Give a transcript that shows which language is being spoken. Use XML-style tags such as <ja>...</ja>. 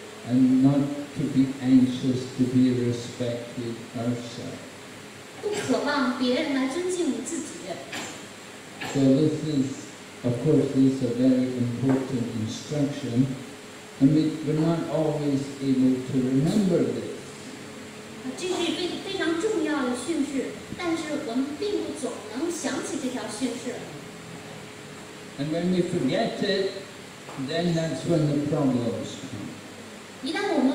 <en>And not to be anxious to be respected ourselves.</en> <zh>不渴望别人来尊敬自己。</zh> <en>So this is, of course, this is a very important instruction, and we're not always able to remember this.</en> <zh>这是非常重要的训示，但是我们并不总能想起这条训示。</zh> <en>And when we forget it, then that's when the problems come.</en>